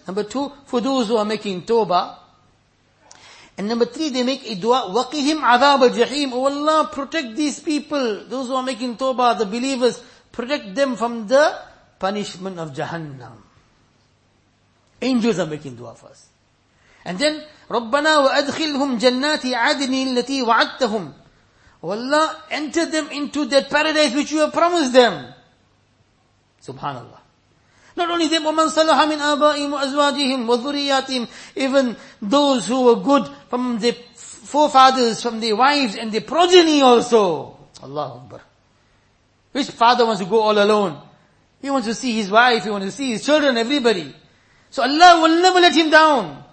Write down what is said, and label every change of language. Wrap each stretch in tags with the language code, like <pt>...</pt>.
<en>Number two, for those who are making tawbah. And number three, they make a dua,</en> <ar>waqihim adhab al-jahim.</ar> <en>Oh Allah, protect these people, those who are making tawbah, the believers, protect them from the punishment of Jahannam. Angels are making dua for us. And then,</en> <ar>رَبَّنَا وَأَدْخِلْهُمْ جَنَّاتِ عَدْنِ الَّتِي وَعَدْتَهُمْ.</ar> <en>Oh Allah, enter them into that paradise which you have promised them. Subhanallah. Not only them,</en> <ar>وَمَنْ صَلَحَ مِنْ آبَائِهِمْ وَأَزْوَاجِهِمْ وَذُرِيَّاتِهِمْ.</ar> <en>Even those who were good from the forefathers, from the wives and the progeny also. Allahu Akbar. Which father wants to go all alone? He wants to see his wife, he wants to see his children, everybody. So Allah will never let him down.</en>